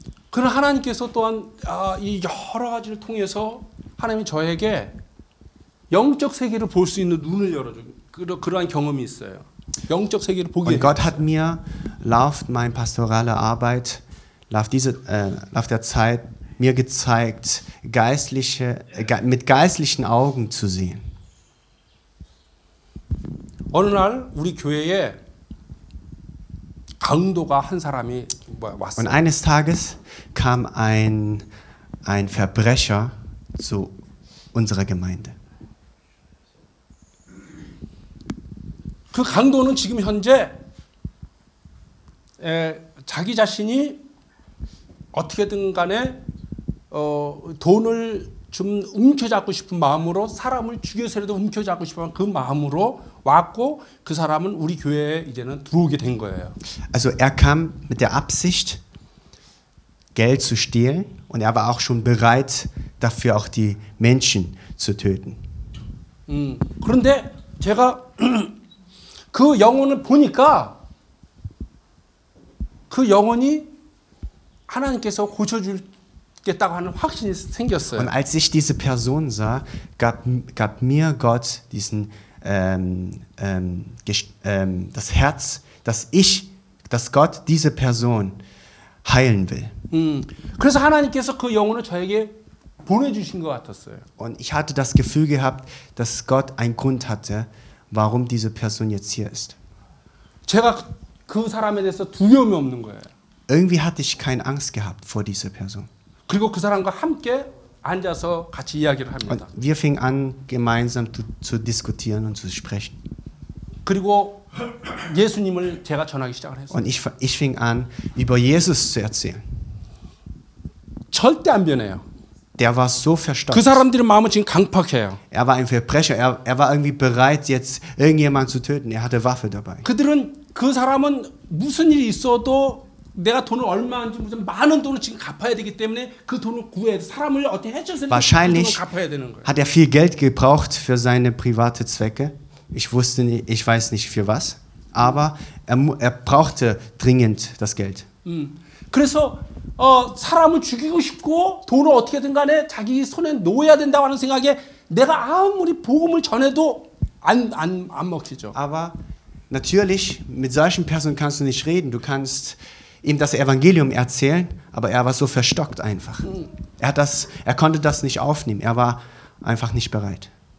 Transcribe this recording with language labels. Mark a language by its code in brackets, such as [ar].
[ko] 그런 하나님께서 또한 이 여러 가지를 통해서 하나님이 저에게 영적 세계를 볼 수 있는 눈을 열어주고 그러한 경험이 있어요. 영적 세계를 보게 됐어요. [de] Und Gott hat mir laut mein pastorale Arbeit laut diese laut der Zeit mir gezeigt, geistliche mit geistlichen Augen zu sehen. [ko] 어느 날 우리 교회에 강도가 한 사람이 왔어요. [de] Und eines Tages kam ein Verbrecher zu unserer Gemeinde. [ko] 그 강도는 지금 현재 자기 자신이 어떻게든 간에 돈을 좀 움켜잡고 싶은 마음으로 사람을 죽여서라도 움켜잡고 싶은 그 마음으로 왔고 그 사람은 우리 교회에 이제는 들어오게 된 거예요. [de] Also er kam mit der Absicht Geld zu stehlen und er war auch schon bereit dafür auch die Menschen zu töten. [ko] 그런데 제가 그 영혼을 보니까 그 영혼이 하나님께서 고쳐 줄 [de] Und als ich diese Person sah, gab mir Gott diesen das Herz, dass ich, dass Gott diese Person heilen will. [ko] 그래서 하나님께서 그 영혼을 저에게 보내주신 것 같았어요. [de] Und ich hatte das Gefühl gehabt, dass Gott einen Grund hatte, warum diese Person jetzt hier ist. [ko] 제가 그 사람에 대해서 두려움이 없는 거예요. [de] Irgendwie hatte ich keine Angst gehabt vor dieser Person. [ko] 그리고 그 사람과 함께 앉아서 같이 이야기를 합니다. [de] Und wir fingen an gemeinsam zu diskutieren und zu sprechen. [ko] 그리고 예수님을 제가 전하기 시작을 했어요. [de] Und ich fing an über Jesus zu erzählen. [ko] 절대 안 변해요. [de] Der war so verstockt. [ko] 그 사람들의 마음은 지금 강팍해요. [de] Er war ein Verbrecher. Er war irgendwie bereit jetzt irgendjemand zu töten. Er hatte Waffe dabei. [ko] 그들은 그 사람은 무슨 일이 있어도 내가 돈을 얼마인지 무슨 많은 돈을 지금 갚아야 되기 때문에 그 돈을 구해 사람을 어떻게 해줘서 [de] Wahrscheinlich [ko] 그 돈을 갚아야 되는 거예요. [de] Hat er viel Geld gebraucht für seine private Zwecke? Ich weiß nicht für was, aber er brauchte dringend das Geld. [ko] 그래서 사람을 죽이고 싶고 돈을 어떻게든 간에 자기 손에 놓아야 된다고 하는 생각에 내가 아무리 복음을 전해도 안 먹히죠. [de] Aber natürlich mit solchen Personen kannst du nicht reden. Du kannst ihm das Evangelium erzählen, aber er war so verstockt einfach. Er konnte das nicht aufnehmen. Er war einfach nicht bereit.